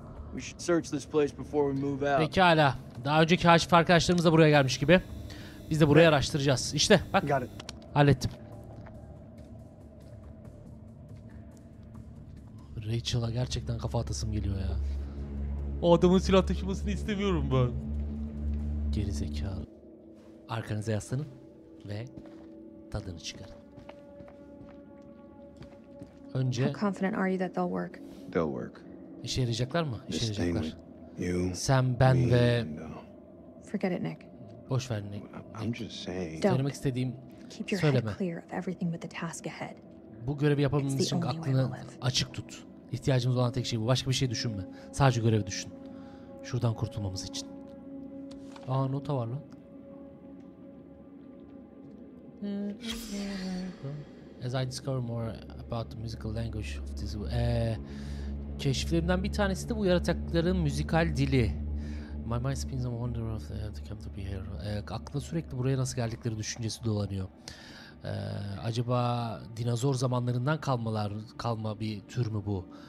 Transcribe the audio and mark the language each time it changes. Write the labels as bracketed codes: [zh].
[en] We should search this place before we move out. [tr] Pekala. Daha önceki haşif arkadaşlarımız da buraya gelmiş gibi. Biz de burayı araştıracağız. İşte bak. Hallettim. Rachel'a gerçekten kafa atasım geliyor ya. O adamın silah taşımasını istemiyorum ben. Gerizekalı. Arkanıza yaslanın ve tadını çıkarın. Önce... [en] How confident are you that they'll work? They'll work. [tr] İşe yarayacaklar mı? İşe yarayacaklar. Sen, ben ve... [en] Forget it, Nick. [tr] Boş ver, Nick. [en] I'm just saying. [tr] Söylemek istediğim... [en] Keep your [tr] söyleme. [en] Head clear of everything but the task ahead. [tr] Bu görevi yapabilmemiz için aklını açık tut. İhtiyacımız olan tek şey bu. Başka bir şey düşünme. Sadece görevi düşün. Şuradan kurtulmamız için. Aa, nota var lan. [en] As I discover more about the musical language of this... [tr] keşiflerimden bir tanesi de bu yaratıkların müzikal dili. [en] My mind spins on wonder of the to come to be here. [tr] Aklına sürekli buraya nasıl geldikleri düşüncesi dolanıyor. Acaba dinozor zamanlarından kalma bir tür mü bu?